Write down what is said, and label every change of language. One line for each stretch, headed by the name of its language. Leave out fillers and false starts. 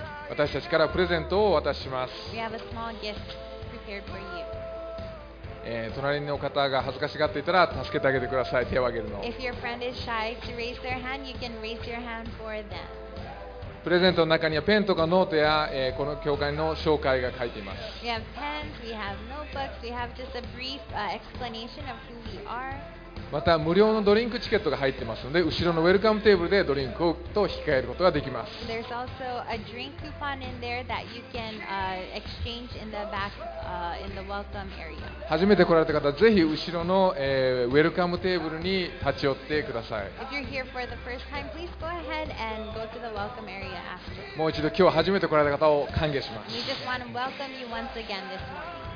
Japanese: 私たちからプレゼントをお渡しします。
English: We have a small gift prepared for you.
Japanese: 隣の方が恥ずかしがっていたら助けてあげてください。手を挙げるの。
English: If your friend is shy to raise their hand, you can raise your hand for them.
Japanese: プレゼントの中にはペンとかノートや、この教会の紹介が書いています。
English: We have pens, we have notebooks, we have just a brief explanation of who we are.
Japanese: また無料のドリンクチケットが入ってますので、後ろのウェルカムテーブルでドリンクと引き換えることができます。
English: There's also a drink coupon in there that you can exchange in the back, in the welcome area.
Japanese: 初めて来られた方はぜひ後ろの、ウェルカムテーブルに立ち寄ってください。
English: If you're here for the first time, please go ahead and go to the welcome area after.
Japanese: もう一度今日初めて来られた方を歓迎します。
English: We just want to welcome you once again this morning.